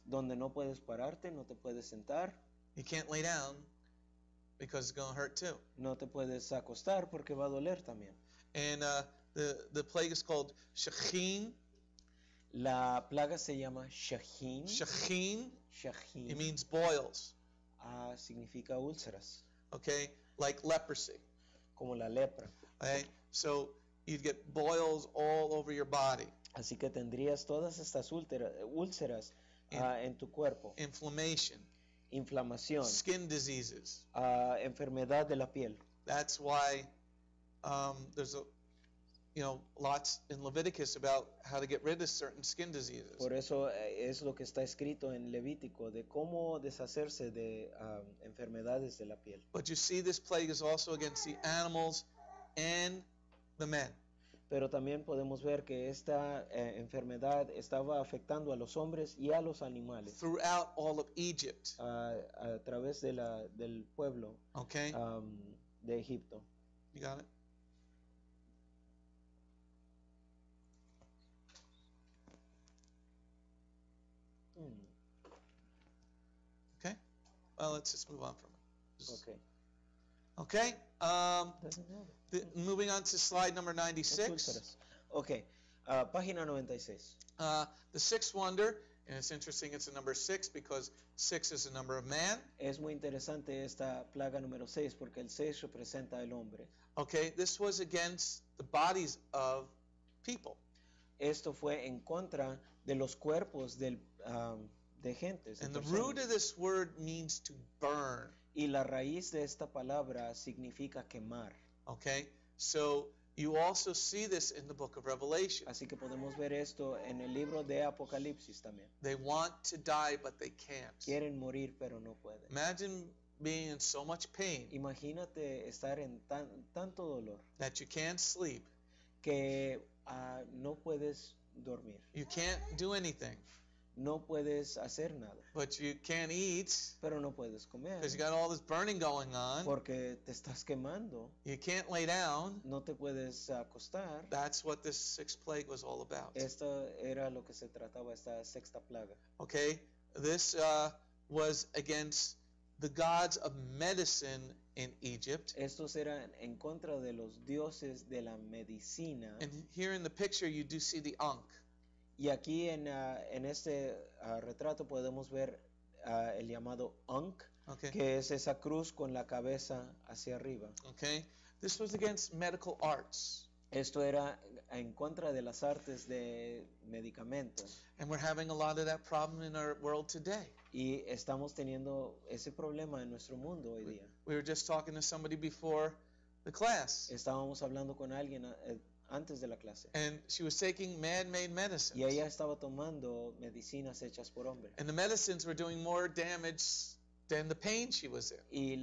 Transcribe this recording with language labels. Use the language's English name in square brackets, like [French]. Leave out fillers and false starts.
[Spanish] Donde no puedes pararte, no te puedes sentar. [English] You can't lay down because it's going to hurt too. [Spanish] No te puedes acostar porque va a doler también. [English] And the plague is called Shechin. [Spanish] La plaga se llama Shechin. Shechin. Shechin. [English] It means boils. [Spanish] Significa úlceras. [English] Okay, like leprosy. [Spanish] Como la lepra. [English] Okay, so you'd get boils all over your body. [Spanish] Así que tendrías todas estas úlceras en tu cuerpo. [English] Inflammation. [Spanish] Inflamación. [English] Skin diseases. [Spanish] Enfermedad de la piel. [English] That's why there's lots in Leviticus about how to get rid of certain skin diseases. [Spanish] Por eso es lo que está escrito en Levítico de cómo deshacerse de enfermedades de la piel. [English] But you see, this plague is also against the animals and the men. [Spanish] Pero también podemos ver que esta enfermedad estaba afectando a los hombres y a los animales. [English] Throughout all of Egypt. [Spanish] A través de del pueblo. [English] Okay. [Spanish] De Egipto. [English] You got it. Mm. Okay. Well, let's just move on from it. Okay. Okay. Moving on to slide number 96. [Spanish] Okay. Página 96. [English] The sixth wonder, and it's interesting it's a number 6 because 6 is the number of man. [Spanish] Es muy interesante esta plaga número 6 porque el 6 representa el hombre. [English] Okay, this was against the bodies of people. [Spanish] Esto fue en contra de los cuerpos del de gentes. [English] And the root of this word means to burn. [Spanish] Y la raíz de esta palabra significa quemar. [English] Okay, so you also see this in the book of Revelation. [Spanish] Así que podemos ver esto en el libro de Apocalipsis también. [English] They want to die, but they can't. [Spanish] Quieren morir, pero no pueden. [English] Imagine being in so much pain. [Spanish] Imagínate estar en tanto dolor. [English] That you can't sleep. [Spanish] Que no puedes dormir. [English] You can't do anything. [Spanish] No puedes hacer nada. [English] But you can't eat. [Spanish] Pero no puedes comer. [English] Because you got all this burning going on. [Spanish] Porque te estás quemando. [English] You can't lay down. [Spanish] No te puedes acostar. [English] That's what this sixth plague was all about. [Spanish] Esta era lo que se trataba, esta sexta plaga. [English] Okay, this was against the gods of medicine in Egypt. [Spanish] Estos eran en contra de los dioses de la medicina. [English] And here in the picture you do see the ankh. [Spanish] Y aquí en este retrato podemos ver el llamado ankh, okay, que es esa cruz con la cabeza hacia arriba. [English] Okay. This was against medical arts. [Spanish] Esto era en contra de las artes de medicamentos. [English] And we're having a lot of that problem in our world today. [Spanish] Y estamos teniendo ese problema en nuestro mundo hoy día. [English] We were just talking to somebody before the class. [Spanish] Estábamos hablando con alguien antes de la clase. [English] And she was taking man-made medicines. [Spanish] Y ella estaba tomando medicinas hechas por hombre. [English] And the medicines were doing more damage than the pain she was in.